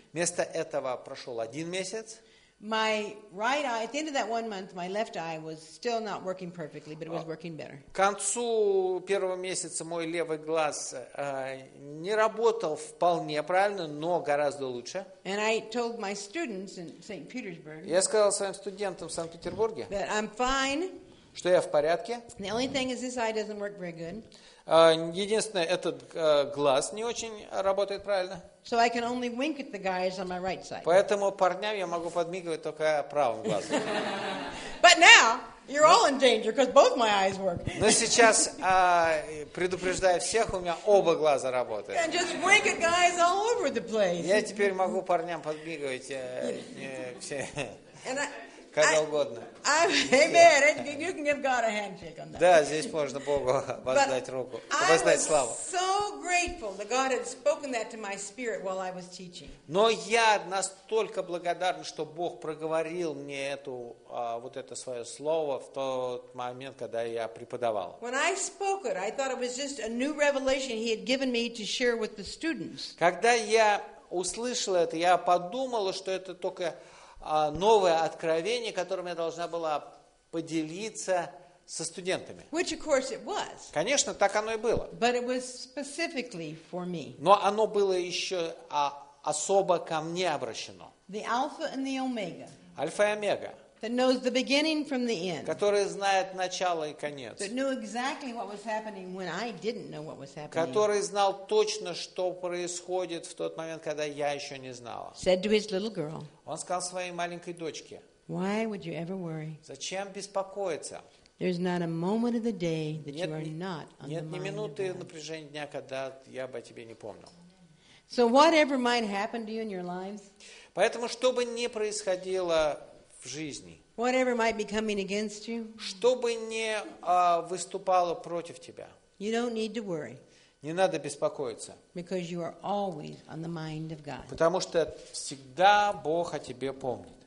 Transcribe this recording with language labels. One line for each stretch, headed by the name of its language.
Russian: Вместо этого прошел 1 месяц.
English: My right eye, at the end of that 1 month, my left eye was still not working perfectly, but it was working better.
Russian: К концу первого месяца мой левый глаз не работал вполне правильно, но гораздо лучше.
English: And I told my students in St. Petersburg.
Russian: Я сказал своим студентам в Санкт-Петербурге.
English: That I'm fine.
Russian: Что я в порядке.
English: The only thing is this eye doesn't work very good.
Russian: Единственное, этот глаз не очень работает правильно.
English: So I can only wink at the guys on my right side.
Russian: Поэтому парням я могу подмигивать только правым глазом.
English: But now you're all in danger because both my eyes work.
Russian: Но сейчас предупреждаю всех, у меня оба глаза работают.
English: And just wink at guys all over the place.
Russian: Я теперь могу парням подмигивать все. Когда угодно.
English: Amen. You can give God a handshake on that.
Russian: Да, здесь можно Богу воздать руку, воздать славу.
English: I was so grateful that God had spoken that to my spirit while I was teaching.
Russian: Но я настолько благодарен, что Бог проговорил мне эту вот это свое слово в тот момент, когда я преподавал.
English: When I spoke it, I thought it was just a new revelation He had given me to share with the students.
Russian: Когда я услышал это, я подумала, что это только новое откровение, которым я должна была поделиться со студентами.
English: Which, of course, it was.
Russian: Конечно, так оно и было.
English: But it was specifically for me.
Russian: Но оно было еще особо ко мне обращено.
English: The Alpha and the Omega.
Russian: Альфа и Омега.
English: That knows the beginning from the end.
Russian: Который знает начало и конец.
English: That knew exactly what was happening when I didn't know what was happening.
Russian: Который знал точно, что происходит в тот момент, когда я еще не знала.
English: Said to his little girl.
Russian: Он сказал своей маленькой дочке.
English: Why would you ever worry?
Russian: Зачем беспокоиться?
English: There's not a moment of the day that you are not on the mind.
Russian: Нет ни минуты напряжения дня, когда я бы о тебе не помнил.
English: So whatever might happen to you in your lives.
Russian: Поэтому, что бы ни происходило в жизни.
English: Whatever might be coming against you,
Russian: что бы ни выступало против тебя,
English: you don't need to worry,
Russian: не надо беспокоиться,
English: because you are always on the mind of God.
Russian: Потому что всегда Бог о тебе помнит.